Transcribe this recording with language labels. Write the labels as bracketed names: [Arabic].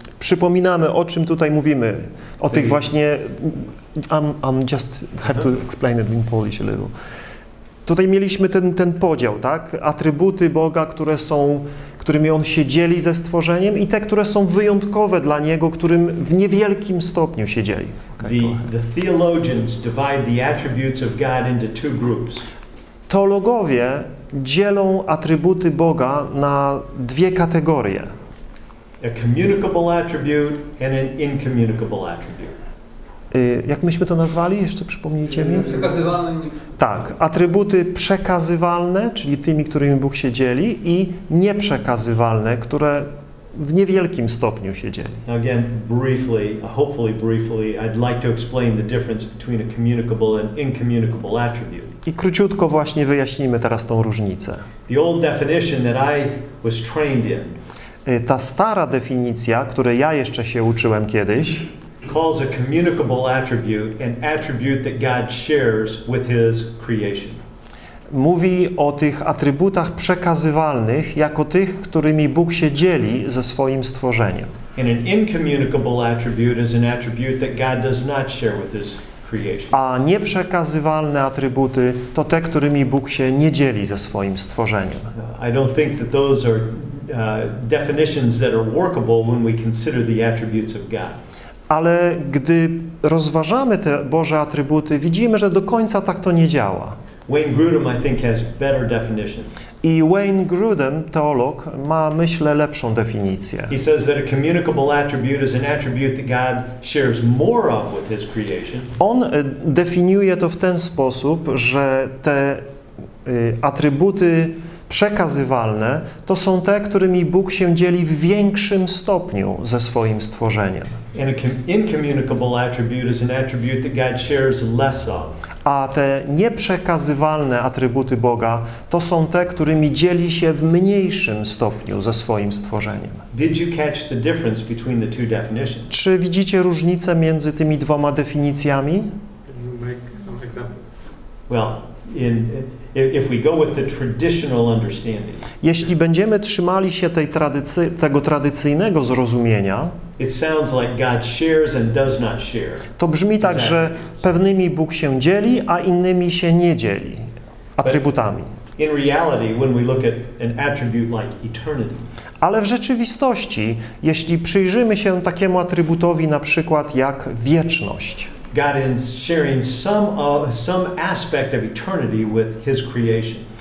[Polish] Przypominamy, o czym tutaj mówimy, o tych właśnie. [English] I'm just have to explain it in Polish a little. [Polish] Tutaj mieliśmy ten podział, tak? Atrybuty Boga, które są, którymi on się dzieli ze stworzeniem i te, które są wyjątkowe dla niego, którym w niewielkim stopniu się dzieli. [English] Okay, the theologians divide the attributes of God into two groups. [Polish] Teologowie dzielą atrybuty Boga na dwie kategorie. [English] A communicable attribute and an incommunicable attribute. [Polish] Jak myśmy to nazwali? Jeszcze przypomnijcie mi. Przekazywalne. Tak, atrybuty przekazywalne, czyli tymi, którymi Bóg się dzieli, i nieprzekazywalne, które w niewielkim stopniu się dzieli. [English] Again, briefly, hopefully briefly, I'd like to explain the difference between a communicable and incommunicable attribute. [Polish] I króciutko właśnie wyjaśnimy teraz tą różnicę. [English] The old definition that I was trained in. [Polish] Ta stara definicja, której ja jeszcze się uczyłem kiedyś. [English] Calls a communicable attribute an attribute that God shares with his creation. [Polish] Mówi o tych atrybutach przekazywalnych jako tych, którymi Bóg się dzieli ze swoim stworzeniem. [English] And an incommunicable attribute is an attribute that God does not share with his creation. [Polish] A nieprzekazywalne atrybuty to te, którymi Bóg się nie dzieli ze swoim stworzeniem. [English] I don't think that those are definitions that are workable when we consider the attributes of God. [Polish] Ale gdy rozważamy te Boże atrybuty, widzimy, że do końca tak to nie działa. [English] Wayne Grudem, I think, has better definitions. [Polish] I Wayne Grudem, teolog, ma, myślę, lepszą definicję. [English] He says that a communicable attribute is an attribute that God shares more of with his creation. [Polish] On definiuje to w ten sposób, że te atrybuty przekazywalne to są te, którymi Bóg się dzieli w większym stopniu ze swoim stworzeniem. [English] And incommunicable attribute is an attribute that God shares less of. [Polish] A te nieprzekazywalne atrybuty Boga to są te, którymi dzieli się w mniejszym stopniu ze swoim stworzeniem. [English] Did you catch the difference between the two definitions? [Polish] Czy widzicie różnicę między tymi dwoma definicjami? [English] Can you make some examples? Well, if we go with the traditional understanding. [Polish] Jeśli będziemy trzymali się tego tradycyjnego zrozumienia, [English] it sounds like God shares and does not share. [Polish] To brzmi tak, że pewnymi Bóg się dzieli, a innymi się nie dzieli atrybutami. [English] But in reality, when we look at an attribute like eternity. [Polish] Ale w rzeczywistości, jeśli przyjrzymy się takiemu atrybutowi na przykład jak wieczność, [English] God is sharing some aspect of eternity with his creation.